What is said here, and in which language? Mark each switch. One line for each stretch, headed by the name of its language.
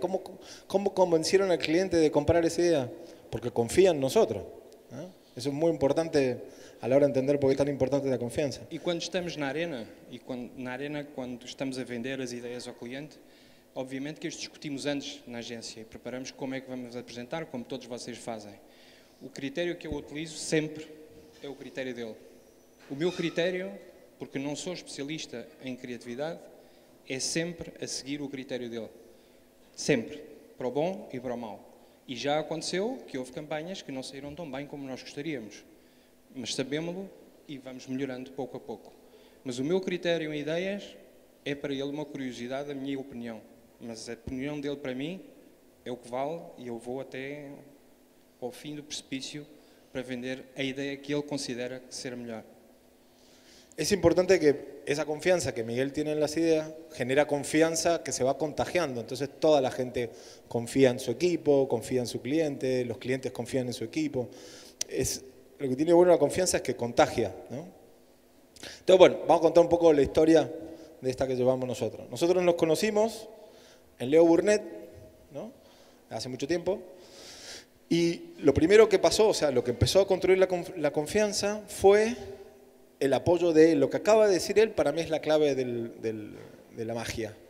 Spanish: ¿Cómo convencieron al cliente de comprar esa idea? Porque confían en nosotros, ¿no? Eso es muy importante a la hora de entender por qué es tan importante la confianza. Y cuando estamos en la arena, cuando estamos a vender las ideas al cliente, obviamente que esto discutimos antes en la agencia y preparamos cómo es que vamos a presentar, como todos ustedes hacen. El criterio que yo utilizo siempre es el criterio de él. El mi criterio,
Portuguese: porque não sou especialista em criatividade, é sempre a seguir o critério dele. Sempre. Para o bom e para o mau. E já aconteceu que houve campanhas que não saíram tão bem como nós gostaríamos. Mas sabemo-lo e vamos melhorando pouco a pouco. Mas o meu critério em ideias é para ele uma curiosidade, a minha opinião. Mas a opinião dele para mim é o que vale e eu vou até ao fim do precipício para vender a ideia que ele considera ser a melhor. É importante que essa confiança que Miguel tem nas ideias genera confiança que se vai contagiando. Então, toda a gente confia em seu equipo, confia em seu cliente, os clientes confiam em seu equipo. O que tem de bom a confiança é que contagia, não?
Spanish: Entonces, bueno, vamos a contar un poco la historia de esta que llevamos nosotros. Nosotros nos conocimos en Leo Burnett, ¿no? Hace mucho tiempo. Y lo primero que pasó, o sea, lo que empezó a construir la confianza fue el apoyo de él. Lo que acaba de decir él, para mí es la clave de la magia.